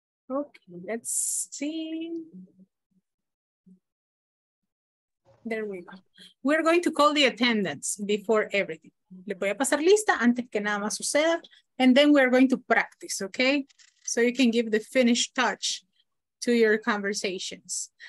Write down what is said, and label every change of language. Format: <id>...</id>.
<en>Okay, let's see. There we go. We're going to call the attendance before everything.</en> <es>Le voy a pasar lista antes que nada más suceda.</es> <en>And then we're going to practice, okay? So you can give the finished touch to your conversations.</en>